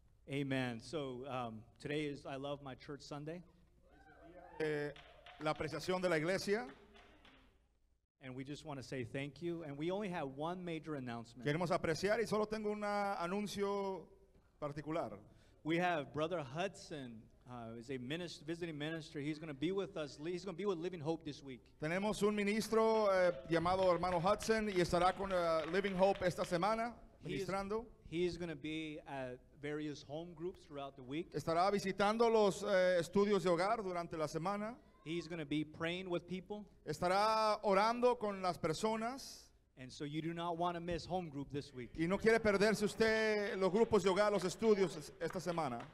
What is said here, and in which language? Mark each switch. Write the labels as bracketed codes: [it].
[en] Amen. So today is I Love My Church Sunday. [es] La apreciación de la iglesia. [en] And we just want to say thank you. And we only have one major announcement. [es] Queremos apreciar y solo tengo un anuncio particular. [en] We have Brother Hudson, is a minister, visiting minister. He's going to be with us. He's going to be with Living Hope this week. [es] Tenemos un ministro llamado hermano Hudson y estará con Living Hope esta semana ministrando. [en] He's going to be at various home groups throughout the week. [es] Estará visitando los estudios de hogar durante la semana. [en] He's going to be praying with people. [es] Estará orando con las personas. [en] And so you do not want to miss home group this week. [es] Y no quiere perderse usted los grupos de hogar, los estudios esta semana.